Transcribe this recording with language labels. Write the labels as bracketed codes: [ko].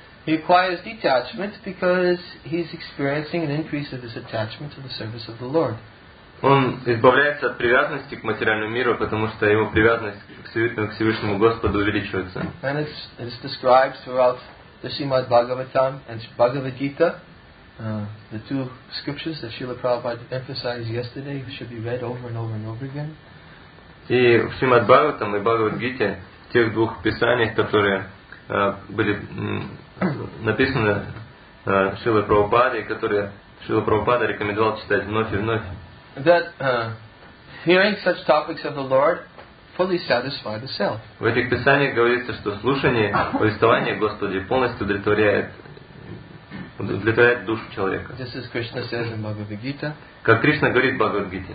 [en] He acquires detachment because he's experiencing an increase of his attachment to the service of the Lord. [ru] Он избавляется от привязанности к материальному миру, потому что его привязанность к Всевышнему Господу увеличивается. [en] And it's described throughout the Srimad Bhagavatam and Bhagavad Gita, the two scriptures that Srila Prabhupada emphasized yesterday should be read over and over and over again. [ru] И в Srimad Bhagavatam и Bhagavad Gita, тех двух писаниях, которые были написано Шрила Прабхупаде, которое Шрила Прабхупада рекомендовал читать вновь и вновь. [en] That hearing such topics of the Lord fully satisfy the self. [ru] В этих писаниях говорится, что слушание повествования Господи полностью удовлетворяет душу человека. [en] This is Krishna says in Bhagavad Gita. [ru] Как Кришна говорит в Бхагавад Гите.